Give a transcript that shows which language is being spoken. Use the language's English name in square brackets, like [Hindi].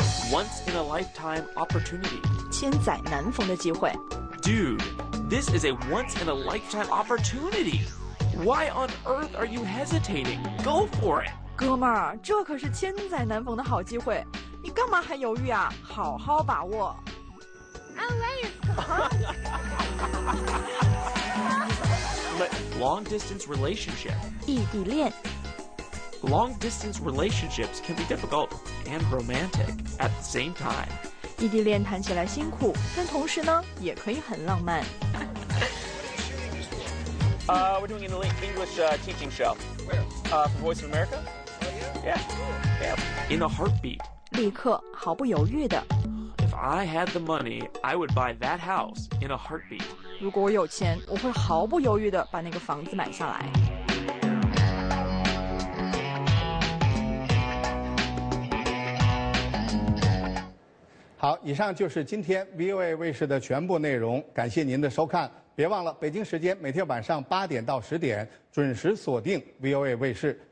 [English] Once in a lifetime opportunity. [Chinese] 千载难逢的机会。 [English] Dude, this is a once in a lifetime opportunity. Why on earth are you hesitating? Go for it. [Chinese] 哥们儿，这可是千载难逢的好机会，你干嘛还犹豫啊？好好把握。 [English] LA is fun. Long distance relationship. [Chinese] 异地恋。 [English] Long distance relationships can be difficult and romantic at the same time. [Chinese] 异地恋谈起来辛苦，但同时呢，也可以很浪漫。 [English] We're doing an English teaching show. Where? For Voice of America. Oh, yeah. Yeah. Yeah. In a heartbeat. [Chinese] 立刻，毫不犹豫的。 [English] If I had the money, I would buy that house in a heartbeat. [Chinese] 如果我有钱，我会毫不犹豫的把那个房子买下来。好，以上就是今天 VOA 卫视的全部内容，感谢您的收看，别忘了北京时间每天晚上8-10点准时锁定 VOA 卫视。